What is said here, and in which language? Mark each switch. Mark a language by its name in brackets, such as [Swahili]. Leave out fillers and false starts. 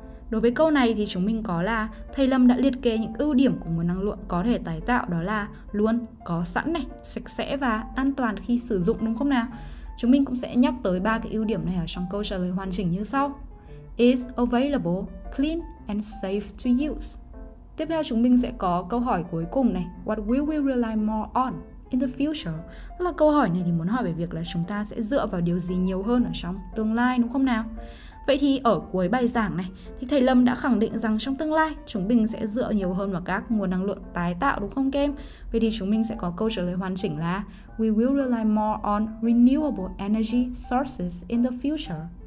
[Vietnamese] Đối với câu này thì chúng mình có là thầy Lâm đã liệt kê những ưu điểm của nguồn năng lượng có thể tái tạo, đó là luôn có sẵn này, sạch sẽ và an toàn khi sử dụng đúng không nào? Chúng mình cũng sẽ nhắc tới ba cái ưu điểm này ở trong câu trả lời hoàn chỉnh như sau. [English] Is available, clean and safe to use. [Vietnamese] Tiếp theo chúng mình sẽ có câu hỏi cuối cùng này. [English] What will we rely more on in the future? [Vietnamese] Tức là câu hỏi này thì muốn hỏi về việc là chúng ta sẽ dựa vào điều gì nhiều hơn ở trong tương lai đúng không nào? Vậy thì ở cuối bài giảng này thì thầy Lâm đã khẳng định rằng trong tương lai chúng mình sẽ dựa nhiều hơn vào các nguồn năng lượng tái tạo đúng không kem? Vậy thì chúng mình sẽ có câu trả lời hoàn chỉnh là [English] We will rely more on renewable energy sources in the future.